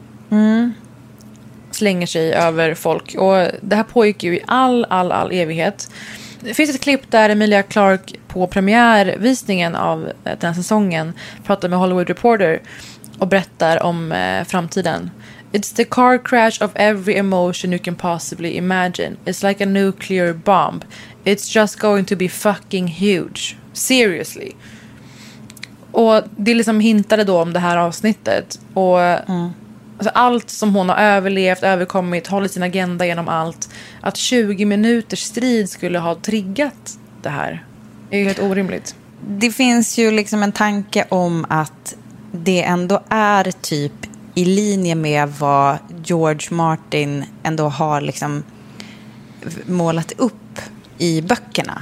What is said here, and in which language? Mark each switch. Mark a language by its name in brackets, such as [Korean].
[Swedish] Mm. slänger sig över folk. Och det här pågick ju i all evighet. Det finns ett klipp där Emilia Clarke på premiärvisningen av den här säsongen pratar med Hollywood Reporter och berättar om framtiden. [English] It's the car crash of every emotion you can possibly imagine. It's like a nuclear bomb. It's just going to be fucking huge. Seriously. [Swedish] Och det liksom hintade då om det här avsnittet. Och alltså allt som hon har överlevt, överkommit, hållit sin agenda genom allt. Att 20 minuters strid skulle ha triggat det här är ju helt orimligt. Det finns ju liksom en tanke om att det ändå är typ i linje med vad George Martin ändå har liksom målat upp i böckerna.